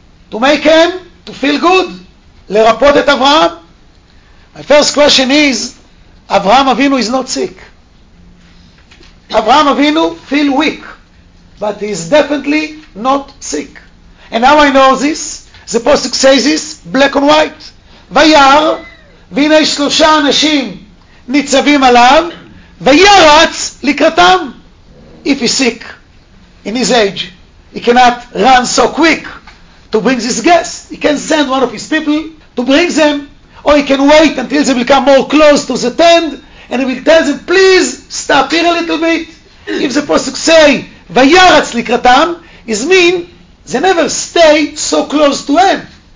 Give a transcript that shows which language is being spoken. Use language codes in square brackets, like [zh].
[en] To make him to feel good. [he] לרפות את אברהם? [en] My first question is, אברהם אבינו is not sick. אברהם אבינו feel weak, but he is definitely not sick. And how I know this? The pasuk says this, black and white. [he] וייר, והנה שלושה אנשים ניצבים עליו, ויירץ לקראתם. [en] If he's sick, in his age, he cannot run so quick to bring this guest. He can send one of his people, to bring them, or he can wait until they become more close to the tent, and he will tell them, please, stop here a little bit. If the pasuk say, [he] vayaratz likratam, [en] is mean, they never stay so close to him.